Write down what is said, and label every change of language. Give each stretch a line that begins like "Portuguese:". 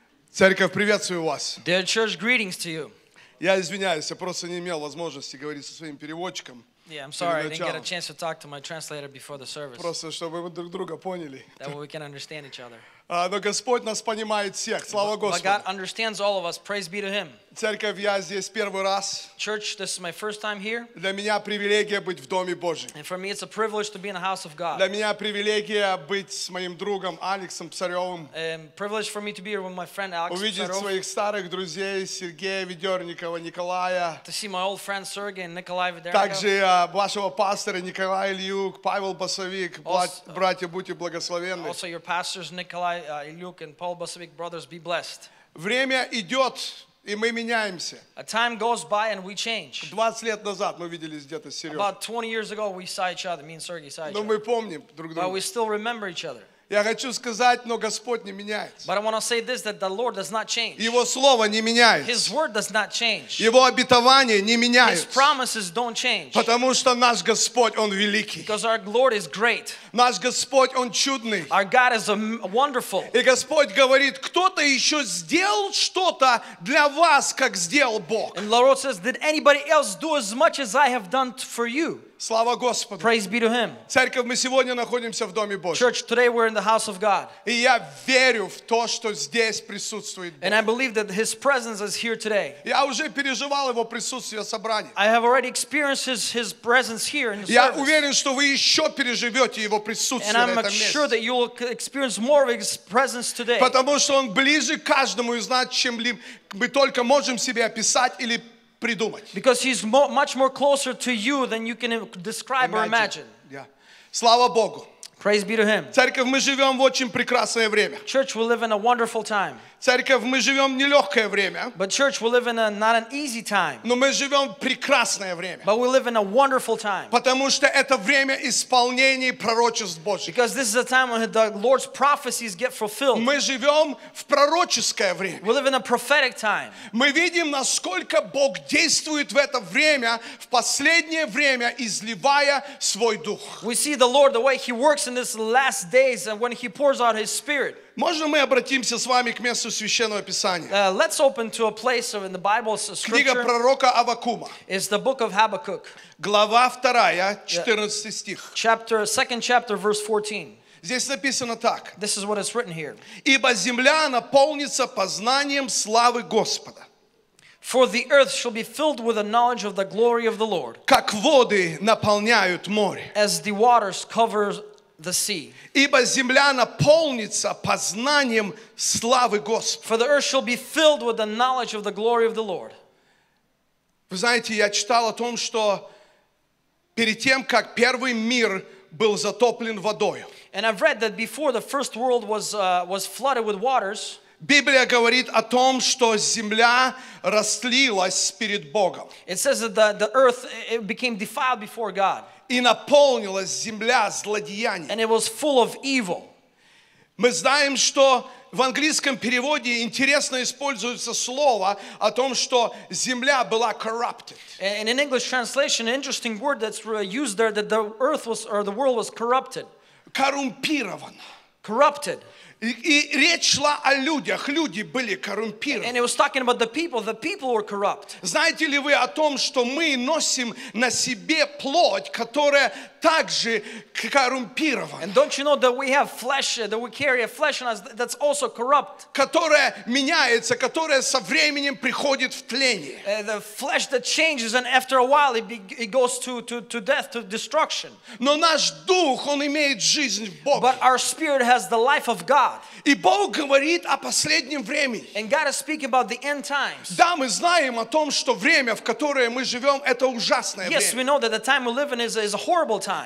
Russian: Церковь, приветствую вас.
English: Dear church, greetings to you.
Russian: Я извиняюсь, я просто не имел возможности говорить со своим переводчиком.
English: Yeah, I'm sorry, I didn't get a chance to talk to my translator before the service.
Russian: Просто чтобы мы друг друга поняли.
English: That way we can understand each other.
Russian: Но Господь нас понимает всех. Слава Господу.
English: But God understands all of us. Praise be to Him.
Russian: Церковь, я здесь первый раз.
English: Church, this is my first time here.
Russian: Для меня привилегия быть в доме Божьем.
English: And for me, it's a privilege to be in the house of God.
Russian: Для меня привилегия быть с моим другом Алексом Псаревым.
English: Privilege for me to be here with my friend Alex.
Russian: Увидеть своих старых друзей Сергея Ведерникова, Николая.
English: To see my old friend Sergey and Nikolai Ведерников.
Russian: Также вашего пастора Николая Ильюк, Павел Басовик, братья, будьте благословенны.
English: Also your pastors Nikolai. Luke and Paul Basavik, brothers, be blessed.
Russian: Время идет, и мы меняемся.
English: A time goes by and we change.
Russian: 20 лет назад мы виделись где-то с Серёгой.
English: About 20 years ago we saw each other, me and Sergey saw each other.
Russian: Но мы помним друг друга.
English: But we still remember each other.
Russian: Я хочу сказать, но Господь не меняется.
English: But I want to say this, that the Lord does not change.
Russian: Его слово не меняется.
English: His word does not change.
Russian: Его обетования не меняются.
English: His promises don't change.
Russian: Потому что наш Господь, Он великий.
English: Because our Lord is great.
Russian: Наш Господь, Он чудный.
English: Our God is wonderful.
Russian: И Господь говорит, кто-то еще сделал что-то для вас, как сделал Бог.
English: And the Lord says, did anybody else do as much as I have done for you?
Russian: Слава Господу.
English: Praise be to Him.
Russian: Церковь, мы сегодня находимся в доме Божьем.
English: Church, today we're in the house of God.
Russian: И я верю в то, что здесь присутствует Бог.
English: And I believe that His presence is here today.
Russian: Я уже переживал Его присутствие в собрании.
English: I have already experienced His presence here in the
Russian: я
English: service.
Russian: Уверен, что вы еще переживете Его присутствие
English: and
Russian: на этом месте.
English: And I'm sure that you'll experience more of His presence today.
Russian: Потому что Он ближе каждому из нас, чем мы только можем себе описать или
English: Because he's much more closer to you than you can describe or imagine.
Russian: Yeah. Слава Богу.
English: Praise be to him.
Russian: Церковь, мы живем в очень прекрасное время.
English: Church, we live in a wonderful time.
Russian: Церковь, мы живем в нелегкое время.
English: But church, we live in a not an easy time.
Russian: Но мы живем в прекрасное время.
English: But we live in a wonderful time.
Russian: Потому что это время исполнения пророчеств Божьих.
English: Because this is a time when the Lord's prophecies get fulfilled.
Russian: Мы живем в пророческое время.
English: We live in a prophetic time.
Russian: Мы видим, насколько Бог действует в это время, в последнее время, изливая свой дух.
English: We see the Lord, the way He works in these last days and when He pours out His Spirit.
Russian: Можно мы обратимся с вами к месту Священного Писания?
English: Let's open to a place in the Bible, scripture.
Russian: Книга пророка Аввакума.
English: It's the book of Habakkuk.
Russian: Глава 2, 14 стих.
English: Chapter, second chapter, verse 14.
Russian: Здесь написано так.
English: This is what it's written here.
Russian: Ибо земля наполнится познанием славы Господа.
English: For the earth shall be filled with the knowledge of the glory of the Lord.
Russian: Как воды наполняют море.
English: As the waters cover the sea.
Russian: Ибо земля наполнится познанием славы Господа.
English: For the earth shall be filled with the knowledge of the glory of the Lord.
Russian: Вы знаете, я читал о том, что перед тем, как первый мир был затоплен водой.
English: And I've read that before the first world was flooded with waters.
Russian: Библия говорит о том, что земля растлилась перед Богом.
English: It says that the earth it became defiled before God.
Russian: И наполнилась земля злодеянием.
English: And it was full of evil.
Russian: Мы знаем, что в английском переводе интересно используется слово о том, что земля была corrupted.
English: And in English translation, an interesting word that's used there that the earth was or the world was corrupted.
Russian: Коррумпирован.
English: Corrupted.
Russian: И речь шла о людях. Люди были коррумпированы.
English: And it was talking about the people. The people were corrupt.
Russian: Знаете ли вы о том, что мы носим на себе плоть, которая также коррумпирована?
English: And don't you know that we have flesh, that we carry a flesh on us that's also corrupt?
Russian: Которая меняется, которая со временем приходит в тление.
English: The flesh that changes and after a while it goes to death, to destruction.
Russian: Но наш дух, он имеет жизнь в Боге.
English: But our spirit has the life of God.
Russian: И Бог говорит о последнем времени.
English: And God is speaking about the end times.
Russian: Да, мы знаем о том, что время, в которое мы живем, это ужасное время.
English: Yes, we know that the time we live in is a horrible time.